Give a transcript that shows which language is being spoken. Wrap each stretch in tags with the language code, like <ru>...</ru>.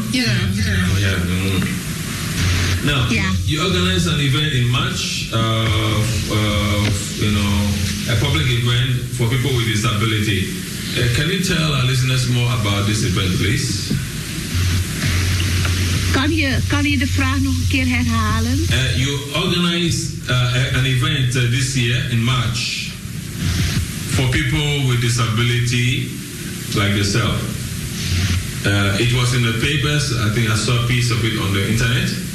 <en>Yeah. Yeah. Now, yeah. You organized an event in March, a public event for people with disability. Can you tell our listeners more about this event, please?</en> <nl>Kan je de vraag nog een keer herhalen?</nl> <en>You organized an event this year in March for people with disability like yourself. It was in the papers. I think I saw a piece of it on the internet.</en>